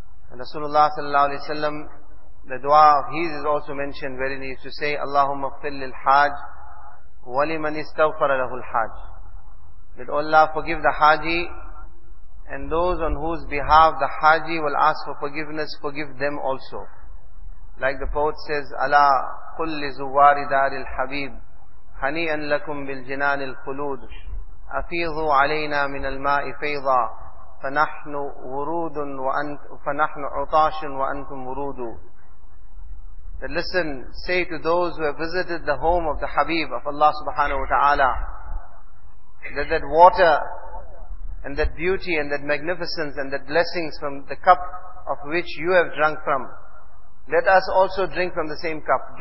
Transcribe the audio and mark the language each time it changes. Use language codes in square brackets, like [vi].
[en] And Rasulullah sallallahu alayhi wa sallam, the dua of his is also mentioned, wherein he used to say, [ar] Allahumma ghfir lil hajj wa liman istaghfara lahu al hajj. [en] That Allah forgive the haji, and those on whose behalf the haji will ask for forgiveness, forgive them also. Like the poet says, [ar] Ala qul li zuwari dar al habib حَنِيًا لَكُمْ بِالْجِنَانِ الْخُلُودِ أَفِيضُوا عَلَيْنَا مِنَ الْمَاءِ فَيْضًا فَنَحْنُ وُرُودٌ فَنَحْنُ عُطَاشٌ وَأَنْتُمْ وُرُودٌ. [en] Listen, say to those who have visited the home of the Habib of Allah subhanahu wa ta'ala, that that water and that beauty and that magnificence and that blessings from the cup of which you have drunk from, let us also drink from the same cup.